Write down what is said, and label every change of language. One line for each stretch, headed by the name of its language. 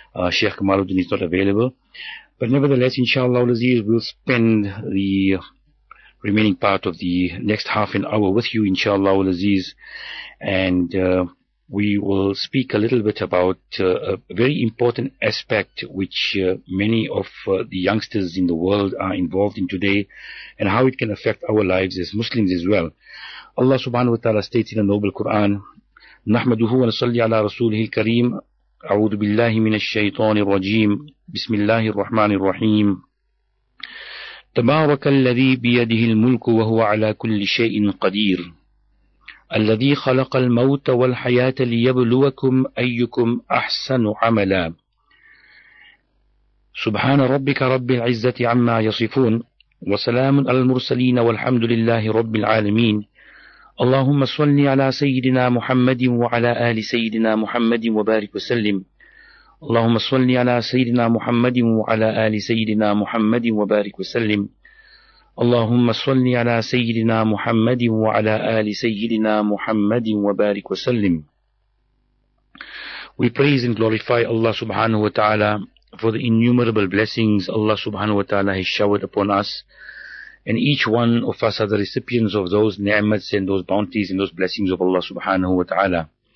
English: Sheikh Kamaluddin is not available. But nevertheless, inshallah, we'll spend the remaining part of the next half an hour with you, inshallah, and we will speak a little bit about a very important aspect which many of the youngsters in the world are involved in today and how it can affect our lives as Muslims as well. Allah subhanahu wa ta'ala states in the Noble Quran,
Arabic: نَحْمَدُهُ وَنَصَلِّ عَلَىٰ رَسُولِهِ الْكَرِيمِ أَعُوذُ بِاللَّهِ مِنَ الشَّيْطَانِ الرَّجِيمِ بِسْمِ اللَّهِ الرَّحْمَنِ الرَّحِيمِ تَبَارَكَ الَّذِي بِيَدِهِ الْمُلْكُ وَهُوَ عَلَىٰ كُلِّ شَيْءٍ قَدِيرٍ الذي خلق الموت والحياة ليبلوكم أيكم أحسن عملا سبحان ربك رب العزة عما يصفون وسلام على المرسلين والحمد لله رب العالمين اللهم صل على سيدنا محمد وعلى آل سيدنا محمد وبارك وسلم اللهم صل على سيدنا محمد وعلى آل سيدنا محمد وبارك وسلم اللهم صل على سيدنا محمد وعلى آل سيدنا محمد وبارك وسلم.
English: We praise and glorify Allah subhanahu wa ta'ala for the innumerable blessings Allah subhanahu wa ta'ala has showered upon us. And each one of us are the recipients of those ni'mats and those bounties and those blessings of Allah subhanahu wa ta'ala.